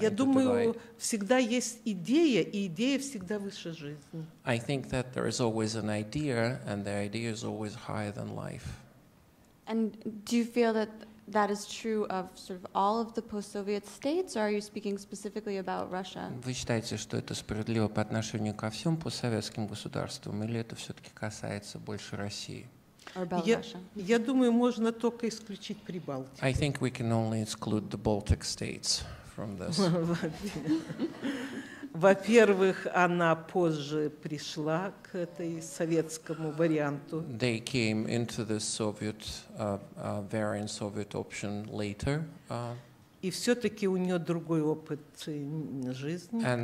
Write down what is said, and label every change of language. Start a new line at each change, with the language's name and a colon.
English: divide.
Russian: Я думаю, всегда есть идея, и идея всегда выше жизни.
English: I think that there is always an idea, and the idea is always higher than life. And do you feel that that is true of sort of all of the post-Soviet states, or are you speaking specifically about Russia?
Russian: Вы считаете, что это справедливо по отношению ко всем постсоветским государствам, или это все-таки касается больше России?
English: Or about Russia?
Russian: Я думаю, можно только исключить Прибалтику.
English: I think we can only exclude the Baltic states from this.
Russian: Во-первых, она позже пришла к этой советскому варианту.
English: They came into the Soviet variant Soviet option later.
Russian: И все-таки у нее другой опыт жизни.